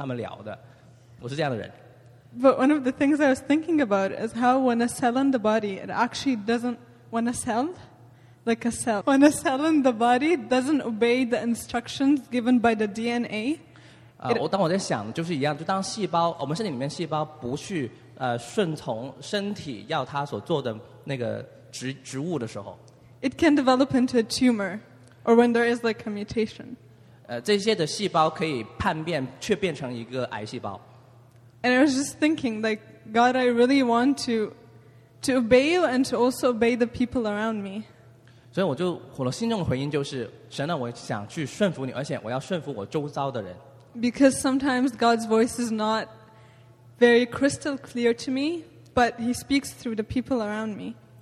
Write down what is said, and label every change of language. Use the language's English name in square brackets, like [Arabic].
[Chinese] 跟我同行的年轻的弟兄姐妹就知道，我是突然间在各个情况都会带出一些科学的题目，就跟他们聊的，我是这样的人。 [English] But one of the things I was thinking about is how when a cell in the body, it actually doesn't, when a cell in the body doesn't obey the instructions given by the DNA. [Chinese] 我当我在想，就是一样，就当细胞，我们身体里面细胞不去顺从身体要它所做的那个。植物的时候， [English] it can develop into a tumor, or when there is like a mutation. [Chinese] 这些的细胞可以叛变，却变成一个癌细胞。 [English] And I was just thinking, like God, I really want to obey you and to also obey the people around me. [Chinese] 所以我心中的回应就是，神啊，我想去顺服你，而且我要顺服我周遭的人。 [English] Because sometimes God's voice is not very crystal clear to me, but He speaks through the people around me.